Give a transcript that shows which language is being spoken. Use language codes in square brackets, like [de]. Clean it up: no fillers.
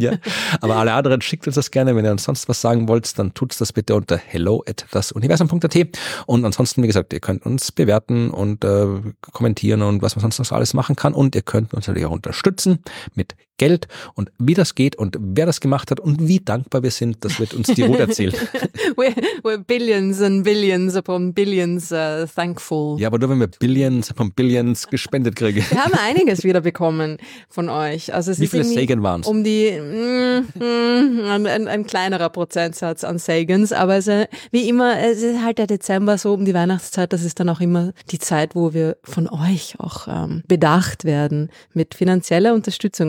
[de] Ja, aber alle anderen schickt uns das gerne. Wenn ihr uns sonst was sagen wollt, dann tut's das bitte unter hello@dasuniversum.at. Und ansonsten, wie gesagt, ihr könnt uns bewerten und kommentieren und was man sonst noch so alles machen kann. Und ihr könnt uns natürlich auch unterstützen mit Geld. Und wie das geht und wer das gemacht hat und wie dankbar wir sind, das wird uns die Ruth erzählen. [en] We're billions and billions upon billions thankful. [de] Ja, aber nur wenn wir [en] billions upon billions [de] gespendet kriegen. Wir haben einiges wieder bekommen von euch. Also es wie viele Sagan waren es? Um die, ein kleinerer Prozentsatz an Sagans, aber es, wie immer, es ist halt der Dezember so um die Weihnachtszeit, das ist dann auch immer die Zeit, wo wir von euch auch bedacht werden mit finanzieller Unterstützung.